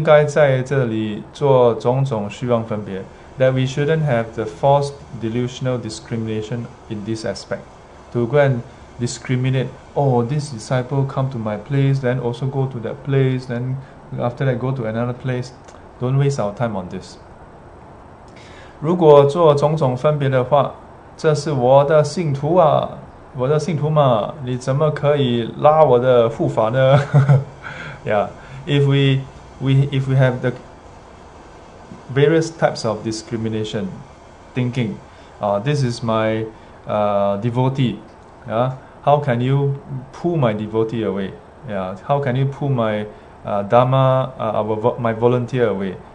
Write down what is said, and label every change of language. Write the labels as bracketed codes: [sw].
[zh] 不应该在这里做种种虚妄分别, [en] that we shouldn't have the false delusional discrimination in this aspect. To go and discriminate, oh, this disciple come to my place, then also go to that place, then after that go to another place. Don't waste our time on this. [zh] 如果做种种分别的话, 这是我的信徒啊, 我的信徒嘛, 你怎么可以拉我的护法呢? [en] Yeah, if we have the various types of discrimination thinking, this is my devotee, yeah, how can you pull my devotee away? Yeah, how can you pull my dharma, my volunteer away?